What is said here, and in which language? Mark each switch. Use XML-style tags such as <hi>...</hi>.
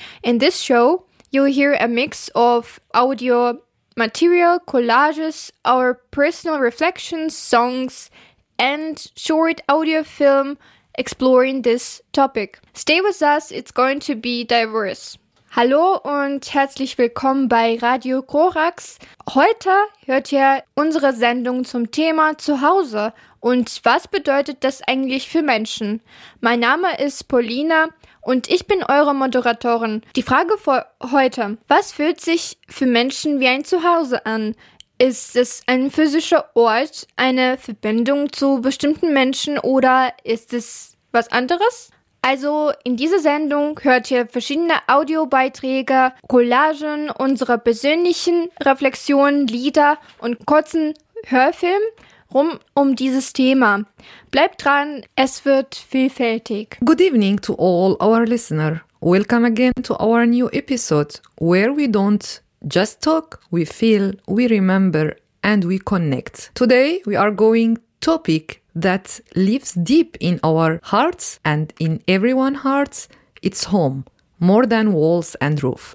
<en>In this show, you'll hear a mix of audio material, collages, our personal reflections, songs, and short audio film exploring this topic. Stay with us, it's going to be diverse.</en> <de>Hallo und herzlich willkommen bei Radio Corax. Heute hört ihr unsere Sendung zum Thema Zuhause und was bedeutet das eigentlich für Menschen? Mein Name ist Paulina und ich bin eure Moderatorin. Die Frage für heute: Was fühlt sich für Menschen wie ein Zuhause an? Ist es ein physischer Ort, eine Verbindung zu bestimmten Menschen oder ist es was anderes? Also in dieser Sendung hört ihr verschiedene Audiobeiträge, Collagen, unsere persönlichen Reflexionen, Lieder und kurzen Hörfilm rum um dieses Thema. Bleibt dran, es wird vielfältig.</de> <en>Good evening to all our listeners. Welcome again to our new episode, where we don't just talk, we feel, we remember and we connect. Today we are going topic that lives deep in our hearts and in everyone's hearts, it's home, more than walls and roof.</en>